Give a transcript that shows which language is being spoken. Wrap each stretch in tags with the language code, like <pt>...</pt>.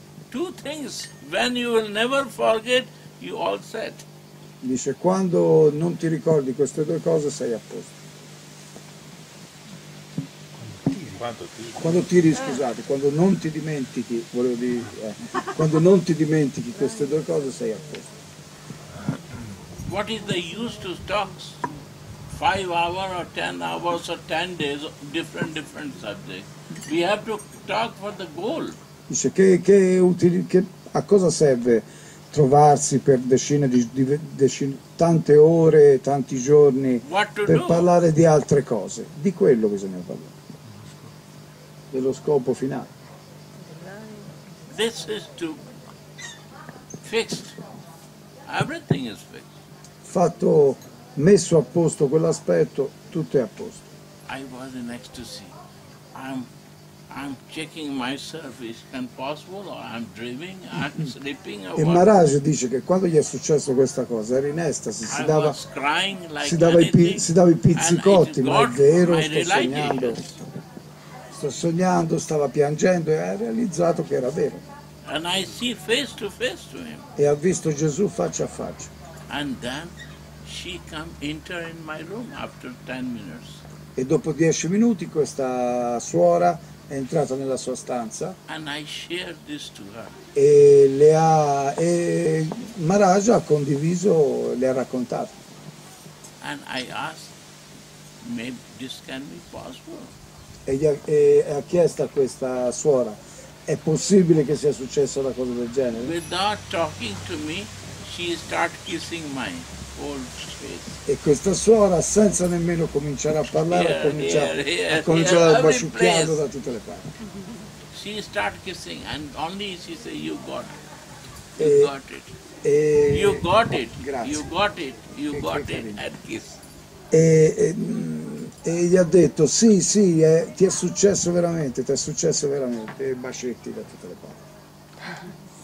<en>Two things when you will never forget, you all said.</en> <it>Dice quando non ti ricordi queste due cose sei a posto. Quando non ti dimentichi, volevo dire, quando non ti dimentichi queste due cose sei a posto.</it> <en>What is the use to talk 5 hours or 10 hours or 10 days different subjects? We have to talk for the goal.</en> <it>Dice che a cosa serve trovarsi per decine tante ore, tanti giorni per parlare di altre cose? Di quello bisogna parlare. Dello scopo finale.</it> <en>This is to fixed. Everything is fixed.</en> <it>Fatto, messo a posto quell'aspetto, tutto è a posto.</it> <en>I was in ecstasy. I'm checking myself is impossible or I'm dreaming, I'm sleeping.</en> <it>E Maharaj dice che quando gli è successo questa cosa era in estasi, si dava i pizzicotti, ma è vero, sto sognando, stava piangendo e ha realizzato che era vero.</it> <en>And I see face to face to him.</en> <it>E ha visto Gesù faccia a faccia.</it> <en>And then she come enter in my room after 10 minutes.</en> <it>E dopo 10 minuti questa suora è entrata nella sua stanza.</it> <en>And I share this to her.</en> <it>E le ha, e Maharaj ha condiviso, le ha raccontato.</it> <en>And I asked, maybe this can be possible.</en> <it>E ha chiesto a questa suora, è possibile che sia successa una cosa del genere?</it> <en>Without talking to me, she start kissing my old face.</en> <it>E questa suora, senza nemmeno cominciare a parlare, ha cominciato a basciucchiarlo da tutte le parti.</it> <en>She start kissing and only she say you got it.</en> <it>E gli ha detto sì, ti è successo veramente, e bacetti da tutte le parti.</it>